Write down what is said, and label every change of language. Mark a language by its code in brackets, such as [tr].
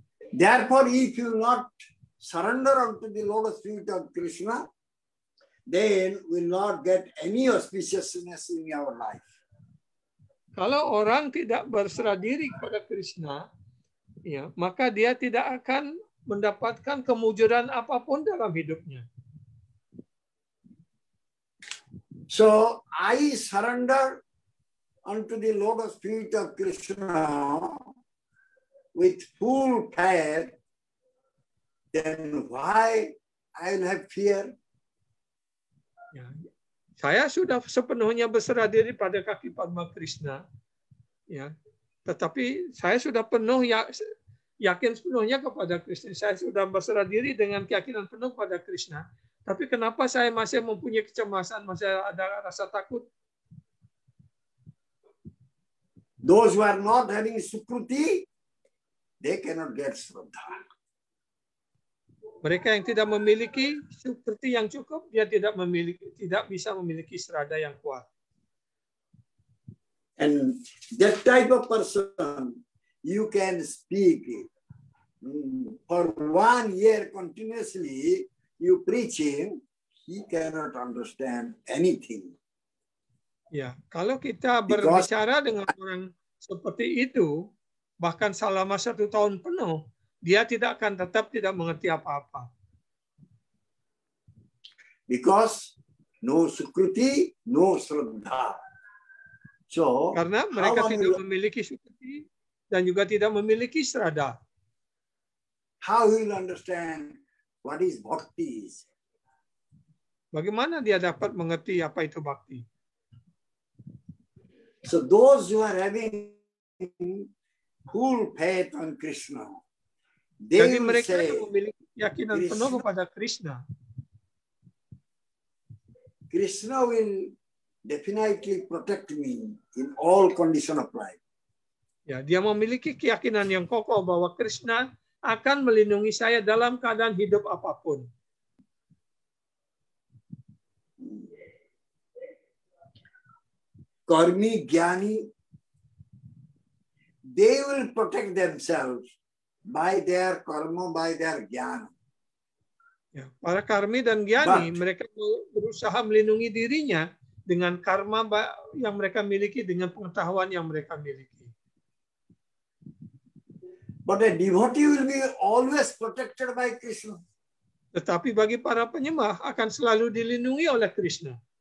[en] Therefore, if you not surrender unto the lotus feet of Krishna, then we will not get any auspiciousness in our life. [id] Kalau orang tidak berserah diri kepada Krishna, ya, maka dia tidak akan mendapatkan kemujuran apapun dalam hidupnya. [en] So I surrender unto the lotus feet of Krishna with full faith, then why I will have fear? [id] saya sudah sepenuhnya berserah diri pada kaki Padma Krishna, ya. Tetapi saya sudah penuh yakin sepenuhnya kepada Krishna. Saya sudah berserah diri dengan keyakinan penuh kepada Krishna. Tapi kenapa saya masih mempunyai kecemasan, masih ada rasa takut? [en] Those who are not having sukruti, they cannot get shraddha. [id] Mereka yang tidak memiliki sukruti yang cukup, dia tidak bisa memiliki shraddha yang kuat. [en] And that type of person, you can speak for 1 year continuously, you preaching, he cannot understand anything. [id] Ya, kalau kita berbicara dengan orang seperti itu, bahkan selama 1 tahun penuh, dia tidak akan mengerti apa-apa. [en] Because no sukruti, no shraddha. So, [id] karena mereka tidak memiliki sukruti dan juga tidak memiliki shraddha. [en] How will understand what is bhakti? [id] Bagaimana dia dapat mengerti apa itu bhakti? [en] So those who are having full faith on Krishna, they [id] jadi mereka yang memiliki keyakinan penuh kepada Krishna. [en] Krishna will definitely protect me in all condition of life. [id] Ya, dia memiliki keyakinan yang kokoh bahwa Krishna akan melindungi saya dalam keadaan hidup apapun. [en] Karmi Gyani, they will protect themselves by their karma, by their jnana. [id] Ya, para karmi dan gyani, mereka berusaha melindungi dirinya dengan karma yang mereka miliki, dengan pengetahuan yang mereka miliki. [en] But a devotee will be always protected by Krishna. [id] Tetapi bagi para penyembah akan selalu dilindungi oleh Krishna.